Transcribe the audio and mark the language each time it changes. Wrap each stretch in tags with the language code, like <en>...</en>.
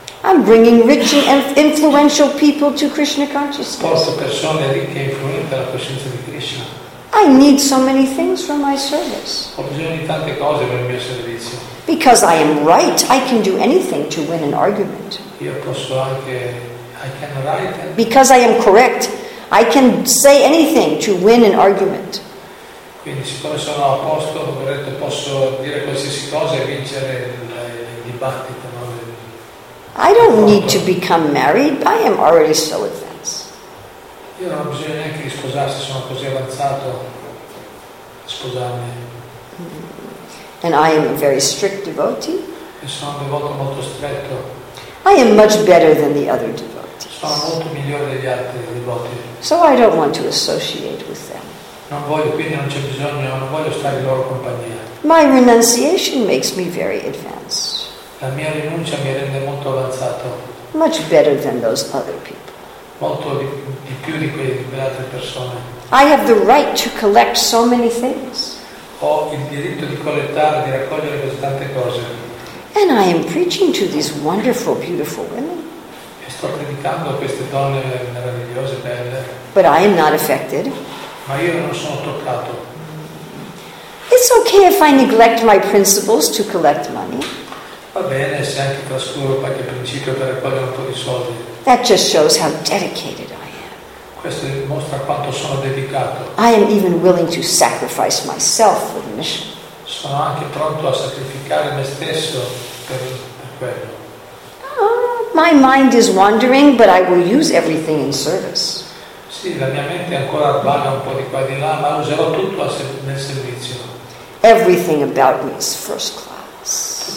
<en>I'm bringing rich and influential people to Krishna consciousness.</en> <it>Porto persone ricche e influenti alla coscienza di Krishna.</it> <en>I need so many things for my service.</en> <it>Ho bisogno di tante cose per il mio servizio.</it> <en>Because I am right, I can do anything to win an argument.</en> <it>Io posso anche,</it> <en>I can write. Because I am correct, I can say anything to win an argument.</en> <it>Quindi siccome sono a posto, ho detto, posso dire qualsiasi cosa e vincere il dibattito. No?</it> <en>I don't need to become married, I am already so advanced.</en> <it>Io non ho bisogno neanche di sposarsi, sono così avanzato. Sposarmi.</it> <en>And I am a very strict devotee.</en> <it>E sono un devoto molto stretto.</it> <en>I am much better than the other devotees.</en> <it>Sono molto migliore degli altri devoti.</it> <en>So I don't want to associate with them.</en> <it>Non voglio, quindi non c'è bisogno, non voglio stare in loro compagnia.</it> <en>My renunciation makes me very advanced.</en> <it>La mia rinuncia mi rende molto avanzato.</it> <en>Much better than those other people.</en> <it>Molto di più di quelle altre persone.</it> <en>I have the right to collect so many things.</en> <it>Ho il diritto di collettare, di raccogliere così tante cose.</it> <en>And I am preaching to these wonderful, beautiful women.</en> <it>E sto predicando a queste donne meravigliose, belle.</it> <en>But I am not affected.</en> <it>Ma io non sono toccato.</it> <en>It's okay if I neglect my principles to collect money.</en> <it>Va bene se anche trascuro qualche principio per raccogliere un po' di soldi.</it> <en>That just shows how dedicated I am.</en> <it>Questo dimostra quanto sono dedicato.</it> <en>I am even willing to sacrifice myself for the mission.</en> <it>Sono anche pronto a sacrificare me stesso per quello.</it> <en>My mind is wandering, but I will use everything in service.</en> <it>Sì, la mia mente ancora vaga un po' di qua e di là, ma userò tutto nel servizio.</it> <en>Everything about me is first class.</en>